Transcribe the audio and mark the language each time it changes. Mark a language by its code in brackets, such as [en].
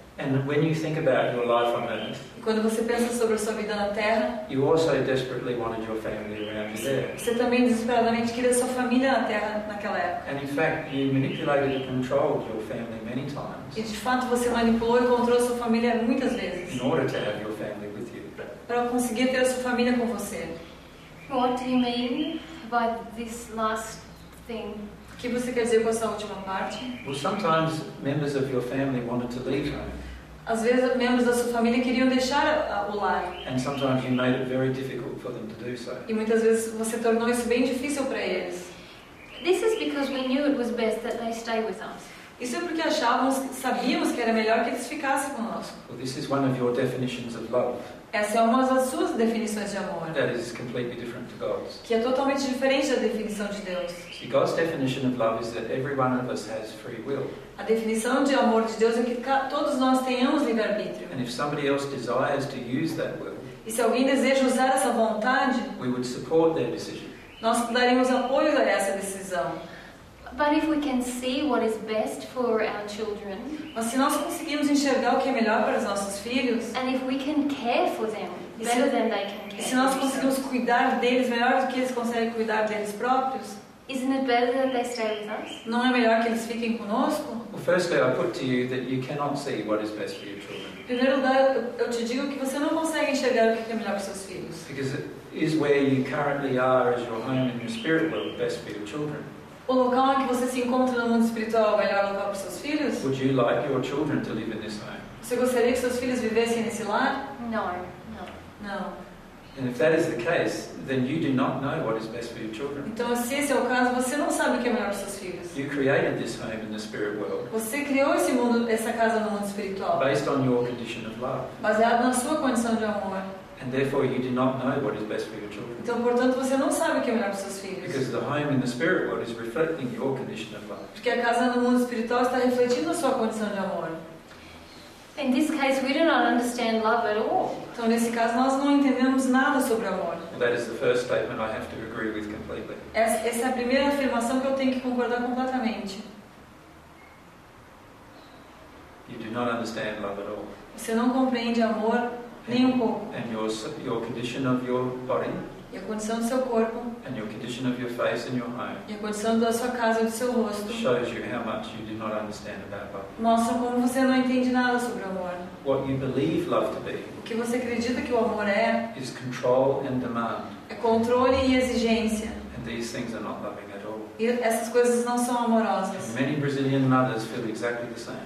[en] And when you think about your life on earth, [pt] quando você pensa sobre a sua vida na Terra, [en] you also desperately wanted your family around you there. [pt] Você também desesperadamente queria sua família na Terra naquela época. [en] And in fact, you manipulated and controlled your family many times. [pt] E de fato você manipulou e controlou sua família muitas vezes. [en] In order to have your family with you. [pt] Para conseguir ter a sua família com você. [en] What do you mean by this last thing? [pt] O que você quer dizer com essa última parte? [en] Well, sometimes members of your family wanted to leave home. [pt] Às vezes, membros da sua família queriam deixar o lar. [en] And sometimes you made it very difficult for them to do so. [pt] E muitas vezes você tornou isso bem difícil para eles. [en] This is because we knew it was best that they stay with us. [pt] Isso é porque achávamos, sabíamos que era melhor que eles ficassem conosco. [en] Well, this is one of your definitions of love. [pt] Essa é uma das suas definições de amor. [en] That is completely different to God's. [pt] Que é totalmente diferente da definição de Deus. [en] See, God's definition of love is that every one of us has free will. [pt] A definição de amor de Deus é que todos nós tenhamos livre-arbítrio. [en] And if somebody else desires to use that will, [pt] e se alguém deseja usar essa vontade, [en] we would support their decision. [pt] Nós daríamos apoio a essa decisão. [en] But if we can see what is best for our children, [pt] mas se nós conseguimos enxergar o que é melhor para os nossos filhos, [en] and if we can care for them better than they can care, [pt] se nós conseguimos cuidar deles melhor do que eles conseguem cuidar deles próprios, [en] isn't it better that they stay with us? [pt] Não é melhor que eles fiquem conosco? [en] Well, firstly, I put to you that you cannot see what is best for your children. [pt] Primeiro lugar, eu te digo que você não consegue enxergar o que é melhor para seus filhos. [en] Because it is where you currently are, as your home and your spirit world, best for your children. [pt] O local em que você se encontra no mundo espiritual é o melhor local para seus filhos? [en] Would you like your children to live in this home? [pt] Você gostaria que seus filhos vivessem nesse lar? [en] No, [pt] no. [en] And if that is the case, then you do not know what is best for your children. [pt] Então, se esse é o caso, você não sabe o que é melhor para seus filhos. [en] You created this home in the spirit world. [pt] Você criou esse mundo, essa casa no mundo espiritual. [en] Based on your condition of love. [pt] Baseado na sua condição de amor. [en] And therefore, you do not know what is best for your children. [pt] Então, portanto, você não sabe o que é melhor para seus filhos. [en] Because the home in the spirit world is reflecting your condition of love. [pt] Porque a casa no mundo espiritual está refletindo a sua condição de amor. [en] In this case, we do not understand love at all. [pt] Então, nesse caso, nós não entendemos nada sobre amor. [en] That is the first statement I have to agree with completely. [pt] Essa é a primeira afirmação que eu tenho que concordar completamente. [en] You do not understand love at all. [pt] Você não compreende amor. [en] And your condition of your body, [pt] e a condição do seu corpo, [en] and your condition of your face and your home, [pt] e a condição da sua casa e do seu rosto, [en] shows you how much you do not understand about love. [pt] Mostra como você não entende nada sobre amor. [en] What you believe love to be, [pt] o que você acredita que o amor é, [en] is control and demand. [pt] É controle e exigência. [en] And these things are not loving. [pt] E essas coisas não são amorosas. [en] Many Brazilian mothers feel exactly the same.